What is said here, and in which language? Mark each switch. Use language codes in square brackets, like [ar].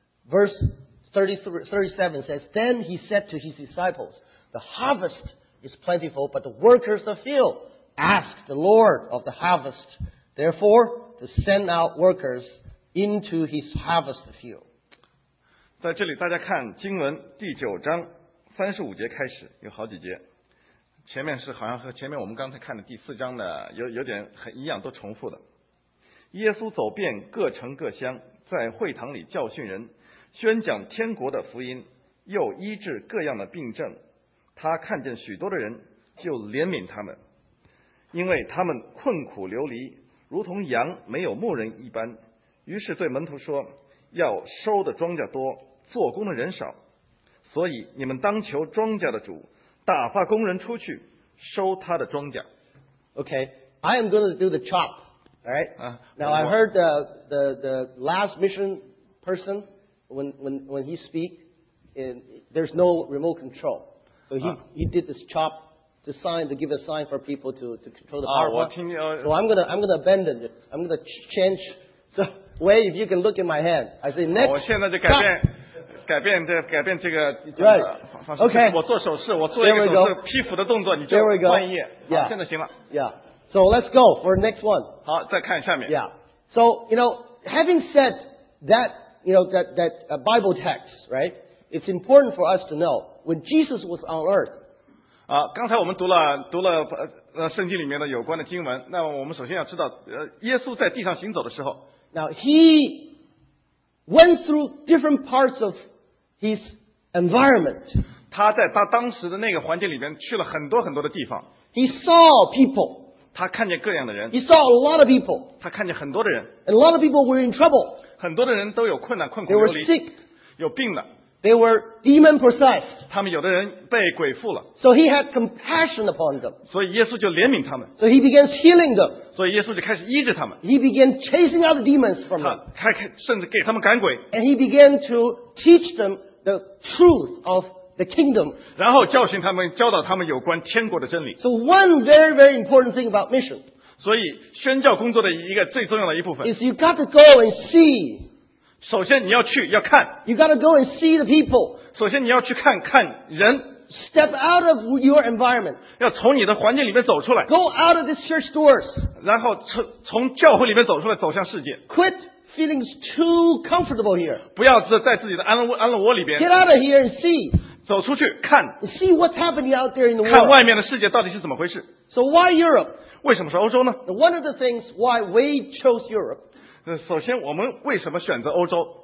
[en] Verse 37 says, "Then he said to his disciples, 'The harvest is plentiful, but the workers are few. Ask the Lord of the harvest, therefore, to send out workers into his harvest field.'" [zh] 在这里，大家看经文第九章三十五节开始，有好几节。前面是好像和前面我们刚才看的第四章的有点很一样，都重复的。耶稣走遍各城各乡，在会堂里教训人，宣讲天国的福音，又医治各样的病症。他看见许多的人，就怜悯他们，因为他们困苦流离，如同羊没有牧人一般。于是对门徒说，要收的庄稼多，做工的人少，所以你们当求庄稼的主打发工人出去收他的庄稼。 [en] Okay, I am going to do the chop. Alright, now I heard the last mission person when he speak, and there's no remote control. So he did this chop to sign, to give a sign for people to control the power. So I'm gonna abandon it. I'm gonna change the way. If you can look in my hand, I say next. [zh] 我现在就改变这个。 [en] Right. Okay. [zh] 我做手势，我做一个手势，披斧的动作，你就翻页。 [en] Yeah. [zh] 现在行了。 [en] Yeah. So let's go for the next one. [zh] 好，再看下面。 [en] Yeah. So you know, having said that, you know that Bible text, right? It's important for us to know when Jesus was on earth. [zh] 啊，刚才我们读了圣经里面的有关的经文。那我们首先要知道，耶稣在地上行走的时候。 [en] Now he went through different parts of his environment. [zh] 他在他当时的那个环境里面去了很多很多的地方。 [en] He saw people. [zh] 他看见各样的人。 [en] He saw a lot of people. [zh] 他看见很多的人。 [en] And a lot of people were in trouble. [zh] 很多的人都有困难，困苦流离。 [en] They were sick. [zh] 有病的。 [en] They were demon possessed. [zh] 他们有的人被鬼附了。 [en] So he had compassion upon them. [zh] 所以耶稣就怜悯他们。 [en] So he began healing them. [zh] 所以耶稣就开始医治他们。 [en] He began chasing out the demons from them. [zh] 甚至给他们赶鬼。 [en] And he began to teach them the truth of the kingdom. [zh] 然后教训他们，教导他们有关天国的真理。 [en] So one very very important thing about mission. [zh] 所以宣教工作的一个最重要的一部分。 [en] Is you got to go and see. [zh] 首先你要去要看。 [en] You gotta go and see the people. [zh] 首先你要去看看人。 [en] Step out of your environment. [zh] 要从你的环境里面走出来。 [en] Go out of this church doors. [zh] 然后从教会里面走出来走向世界。 [en] Quit feeling too comfortable here. [zh] 不要在自己的安乐窝里边。 [en] Get out of here and see. [zh] 走出去看。 [en] See what's happening out there in the world. [zh] 看外面的世界到底是怎么回事。 [en] So why Europe? [zh] 为什么是欧洲呢？ [en] One of the things why we chose Europe. [zh] 首先我们为什么选择欧洲